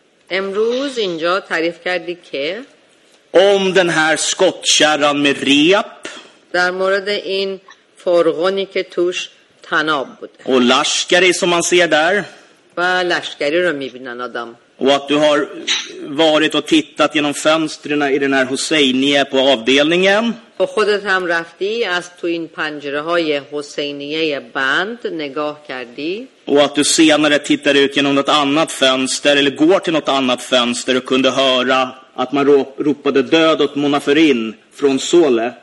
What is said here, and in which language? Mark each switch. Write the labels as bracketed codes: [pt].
[fa] امروز اینجا تعریف کردی که [sv] om den här skottkärran med rep. [fa] در مورد این فرغونی که توش تناب بود. [sv] Och lashkari som man ser där. [fa] و lashkari رو میبینن آدم. [sv] Och att du har varit och tittat genom fönstren i den här Hosseinie på avdelningen. [fa] Och خودت هم رفتی از تو این پنجره‌های حسینیه بند نگاه کردی. [sv] Och att du senare tittar ut genom något annat fönster eller går till något annat fönster och kunde höra att man ropade död åt Mona Farin från Sole.